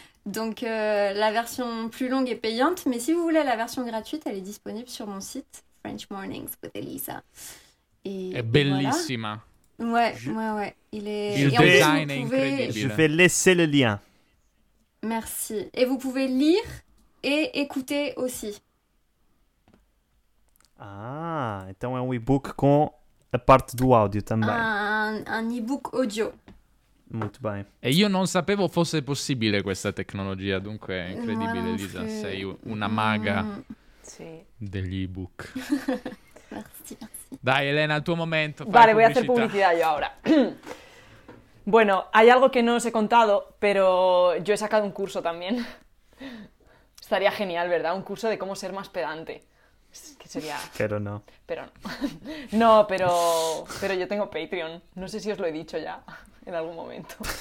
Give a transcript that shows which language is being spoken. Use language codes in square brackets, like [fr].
[fr] Donc la version plus longue est payante, mais si vous voulez la version gratuite, elle est disponible sur mon site, French Mornings with Elisa. [it] Et bellissima. [fr] Voilà. Ouais. Il est... Je vais laisser le lien. Merci. Et vous pouvez lire et écouter aussi. [pt] Ah, então é um e-book com a parte do áudio também. Um e-book audio. Muito bem. E eu não sabia que fosse possível essa tecnologia, então é incrível, Elisa. [it] Sei uma maga dele e-book. Dai, Elena, tu momento. [pt] Vale, vou fazer publicidade eu agora. Bueno, há algo que não os he contado, mas eu he sacado um curso também. [es] Estaría genial, ¿verdad? Un curso de cómo ser más pedante. Que sería... Pero no. Pero no. No, pero yo tengo Patreon. No sé si os lo he dicho ya en algún momento.